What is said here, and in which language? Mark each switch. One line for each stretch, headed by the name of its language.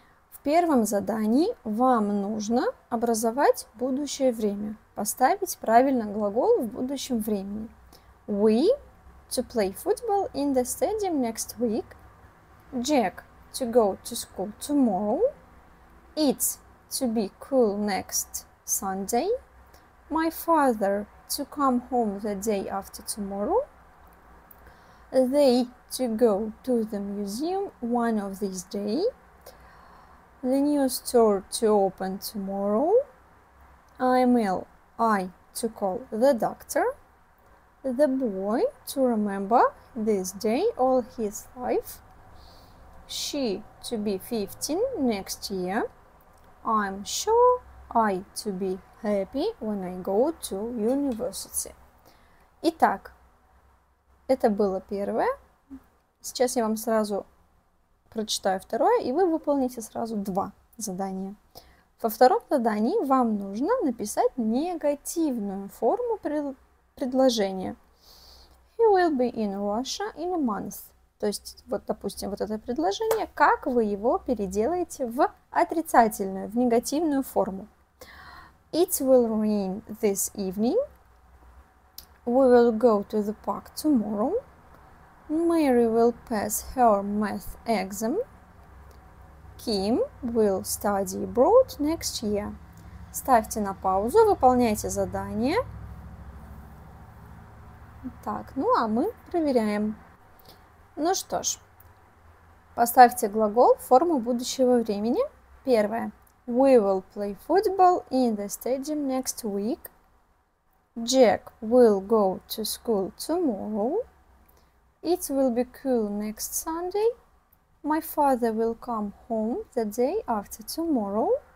Russian: В первом задании вам нужно образовать будущее время, поставить правильно глагол в будущем времени.
English: We to play football in the stadium next week. Jack to go to school tomorrow. It to be cool next Sunday. My father to come home the day after tomorrow. They to go to the museum one of these days. The new store to open tomorrow. I to call the doctor. The boy to remember this day all his life. She to be 15 next year. I'm sure I to be happy when I go to university.
Russian: Итак, это было первое. Сейчас я вам сразу прочитаю второе, и вы выполните сразу два задания. Во втором задании вам нужно написать негативную форму предложения.
English: He will be in Russia in a month.
Russian: То есть, вот, допустим, вот это предложение, как вы его переделаете в отрицательную, в негативную форму.
English: It will rain this evening. We will go to the park tomorrow. Mary will pass her math exam. Kim will study abroad next year.
Russian: Ставьте на паузу, выполняйте задание. Так, ну а мы проверяем. Ну что ж, поставьте глагол в форму будущего времени. Первое.
English: We will play football in the stadium next week. Jack will go to school tomorrow. It will be cool next Sunday. My father will come home the day after tomorrow.